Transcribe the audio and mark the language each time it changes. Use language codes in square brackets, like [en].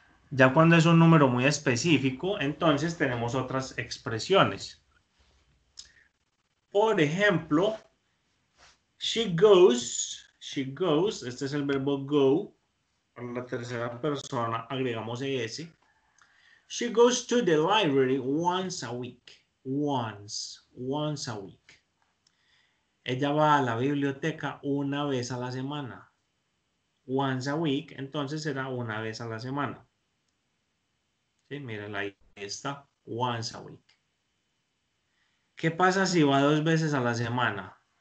[es] Ya cuando es un número muy específico, entonces tenemos otras expresiones. Por ejemplo, [en] she goes, [es] este es el verbo go, para la tercera persona agregamos es. [en] She goes to the library once a week. Once a week. [es] Ella va a la biblioteca una vez a la semana. [en] Once a week, [es] entonces será una vez a la semana. Sí, mírala ahí, está. Once a week. ¿Qué pasa si va dos veces a la semana?